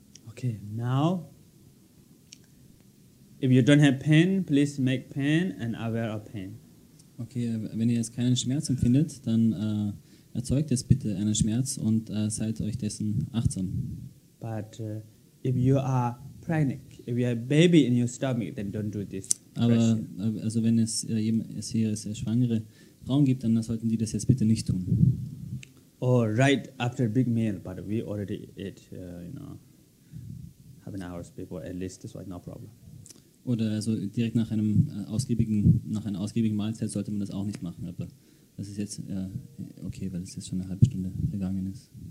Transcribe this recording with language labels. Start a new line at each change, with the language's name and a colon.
English: Okay, now, if you don't have pain, please make pain and aware of pain.
German: Okay, wenn ihr jetzt keinen Schmerz empfindet, dann erzeugt jetzt bitte einen Schmerz und seid euch dessen achtsam.
English: But if you are pregnant, if you have a baby in your stomach, then don't do this.
German: Aber also wenn es sehr schwangere Frauen gibt, dann sollten die das jetzt bitte nicht tun.
English: Or right after a big meal, but we already ate, you know, half an hour before at least, so no problem.
German: Oder also direkt nach einem ausgiebigen Mahlzeit sollte man das auch nicht machen, aber das ist jetzt okay, weil es jetzt schon eine halbe Stunde vergangen ist.